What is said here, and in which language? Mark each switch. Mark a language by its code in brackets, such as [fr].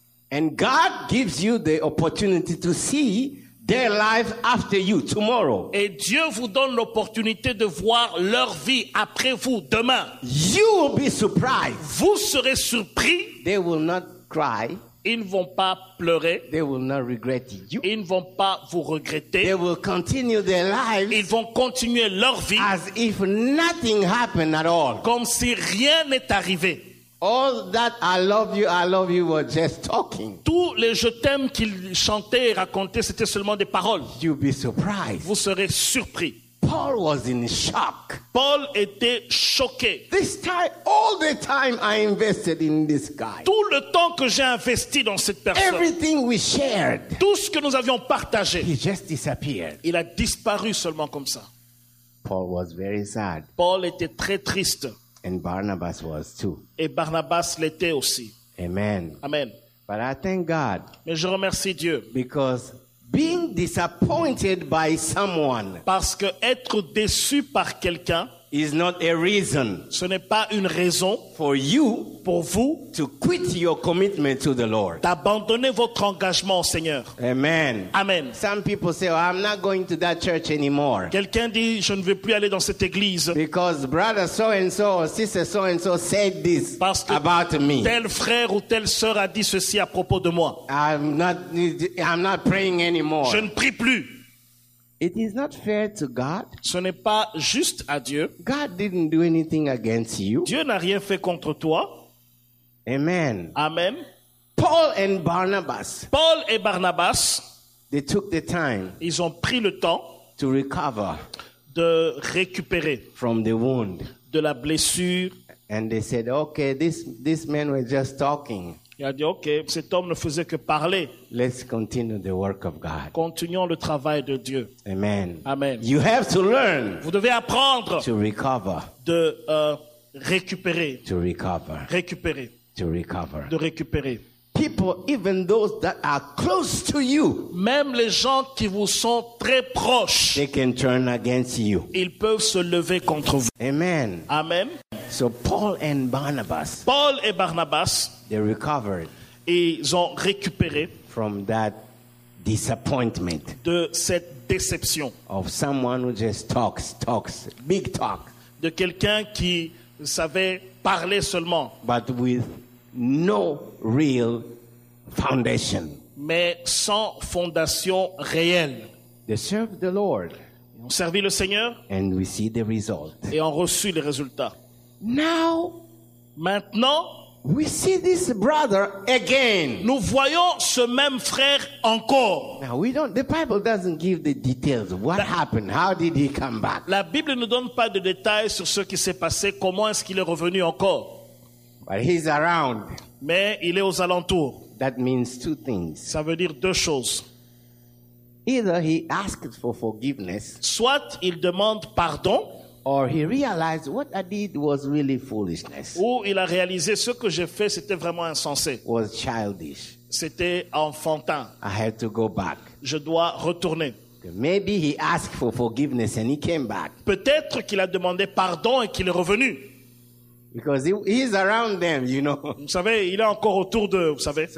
[en] And God gives you the opportunity to see. Their life after you, tomorrow. [fr] Et Dieu vous donne l'opportunité de voir leur vie après vous, demain. [en] You will be surprised. [fr] Vous serez surpris. [en] They will not cry. [fr] Ils ne vont pas pleurer. [en] They will not regret you. [fr] Ils ne vont pas vous regretter. [en] They will continue their lives. [fr] Ils vont continuer leur vie. [en] As if nothing happened at all. [fr] Comme si rien n'est arrivé. [en] All that I love you were just talking. [fr] Tous les je t'aime qu'il chantait et racontait, c'était seulement des paroles. [en] You'll be surprised. [fr] Vous serez surpris. [en] Paul was in shock. [fr] Paul était choqué. [en] This time, all the time I invested in this guy. [fr] Tout le temps que j'ai investi dans cette personne. [en] Everything we shared. [fr] Tout ce que nous avions partagé. [en] He just disappeared. [fr] Il a disparu seulement comme ça. [en] Paul was very sad. [fr] Paul était très triste. [en] And Barnabas was too. [fr] Et Barnabas l'était aussi. [en] Amen. [fr] Amen. [en] But I thank God. [fr] Mais je remercie Dieu. [en] Because being disappointed by someone. [fr] Parce que être déçu par quelqu'un. [en] Is not a reason. [fr] Ce n'est pas une raison. [en] For you. [fr] Pour vous. [en] To quit your commitment to the Lord. [fr] D'abandonner votre engagement au Seigneur. [en] Amen. [fr] Amen. [en] Some people say, oh, I'm not going to that church anymore. [fr] Quelqu'un dit, je ne vais plus aller dans cette église. [en] Because brother so and so or sister so and so said this [fr] parce que [en] about me. [fr] Tel frère ou telle sœur a dit ceci à propos de moi. [en] I'm not praying anymore. [fr] Je ne prie plus. [en] It is not fair to God. [fr] Ce n'est pas juste à Dieu. [en] God didn't do anything against you. [fr] Dieu n'a rien fait contre toi. [en] Amen. [fr] Amen. [en] Paul and Barnabas. [fr] Paul et Barnabas. [en] They took the time. [fr] Ils ont pris le temps. [en] To recover. [fr] De récupérer. [en] From the wound. [fr] De la blessure. [en] And they said, okay, this man was just talking. [fr] Il a dit, ok, cet homme ne faisait que parler. [en] Let's continue the work of God. [fr] Continuons le travail de Dieu. [en] Amen. [fr] Amen. [en] You have to learn. [fr] Vous devez apprendre. [en] To recover. [fr] De récupérer. [en] To recover. [fr] Récupérer. [en] To recover. [fr] De récupérer. [en] People, even those that are close to you, [fr] même les gens qui vous sont très proches, [en] they can turn against you. [fr] Ils peuvent se lever contre vous. [en] Amen. [fr] Amen. [en] So Paul and Barnabas, [fr] Paul et Barnabas, [en] they recovered. [fr] Ils ont récupéré [en] from that disappointment, [fr] de cette déception, [en] of someone who just talks, big talk, [fr] de quelqu'un qui savait parler seulement, [en] but with no real foundation. [fr] Mais sans fondation réelle. [en] They served the Lord. [fr] Ils ont servi le Seigneur. [en] And we see the result. [fr] Et ont reçu les résultats. [en] Now, [fr] maintenant, [en] we see this brother again. [fr] Nous voyons ce même frère encore. [en] Now we don't. The Bible doesn't give the details. What happened? How did he come back? [fr] La Bible ne donne pas de détails sur ce qui s'est passé. Comment est-ce qu'il est revenu encore? [en] But he's around. [fr] Mais il est aux alentours. [en] That means two things. [fr] Ça veut dire deux choses. [en] Either he asked for forgiveness. [fr] Soit il demande pardon. [en] Or he realized what I did was really foolishness. [fr] Ou il a réalisé ce que j'ai fait, c'était vraiment insensé. [en] Was childish. [fr] C'était enfantin. [en] I had to go back. [fr] Je dois retourner. [en] Maybe he asked for forgiveness and he came back. [fr] Peut-être qu'il a demandé pardon et qu'il est revenu. [en] Because he's around them, you know. [fr] Vous savez, il est encore autour d'eux, vous savez.